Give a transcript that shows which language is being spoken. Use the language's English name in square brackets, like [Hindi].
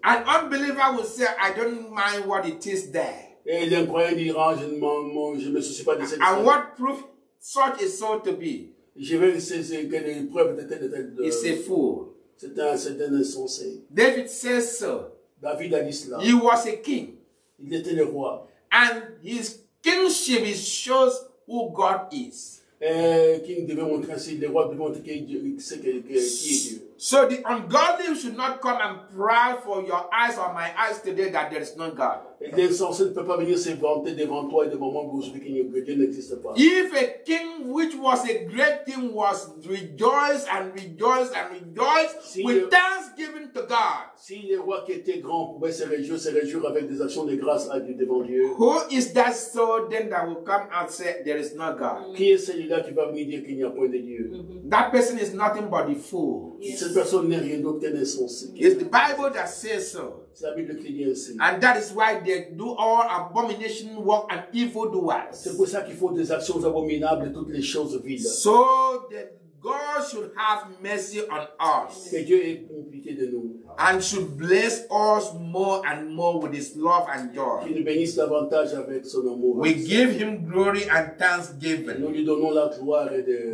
[English] An unbeliever will say, I don't mind what it is there. [French] Et les croyants diront, je me soucie pas de cette. [English] And what proof such a soul to be? [French] Je veux essayer que les preuves de telle et telle. [English] It's a fool. [French] C'est un insensé. [English] David says so. [French] David a dit cela. [English] He was a king. [French] Il était le roi. [English] And his kingship shows who God is. [French] King devait montrer ainsi, le roi devait montrer qui est Dieu. [English] So the ungodly should not come and pray for your eyes or my eyes today that there is no God. [French] L'insensé ne peut pas venir se vanter devant toi et devant moi aujourd'hui qu'il n'y a que Dieu n'existe pas. [English] If a king which was a great king was rejoiced and rejoiced and rejoiced si with thanksgiving to God. [French] Si le roi qui était grand pouvait se réjouir avec des actions de grâce à Dieu devant Dieu. [English] Who is that soul then that will come and say there is no God? [French] Qui est celui-là qui va venir dire qu'il n'y a point de Dieu? [English] That person is nothing but a fool. [French] Cette personne n'est rien d'autre qu'un insensé. [English] It's the Bible that says so. [French] C'est la Bible qui dit ainsi. [English] And that is why they do all abomination work and evil doers. [French] C'est pour ça qu'ils font des actions abominables et toutes les choses vides. [English] So that God should have mercy on us. [French] Que Dieu ait pitié de nous. [English] And should bless us more and more with His love and joy. [French] Qu'il nous bénisse davantage avec son amour. [English] We give Him glory and thanksgiving. [French] Nous lui donnons la gloire et de.